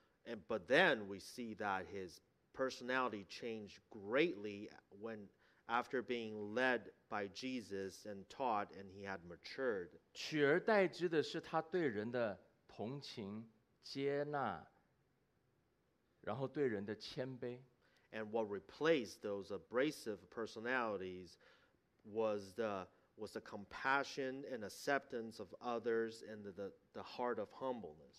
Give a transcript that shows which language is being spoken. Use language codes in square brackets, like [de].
[en] And, but then we see that his personality changed greatly when after being led by Jesus and taught and he had matured. [zh] 取而代之的是他对人的同情接纳，然后对人的谦卑。 [en] And what replaced those abrasive personalities was the compassion and acceptance of others and the heart of humbleness.